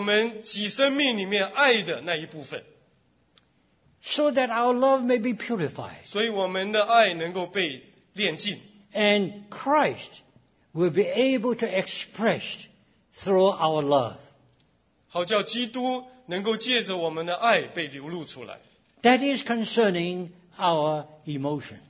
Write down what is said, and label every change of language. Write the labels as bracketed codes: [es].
[zh] 所以在那里我们看见我们己生命里面爱的那一部分。 [en] So that our love may be purified. [zh] 所以我们的爱能够被炼尽。 [en] And Christ will be able to express through our love. [zh] 好叫基督能够借着我们的爱被流露出来。 [en] That is concerning our emotion.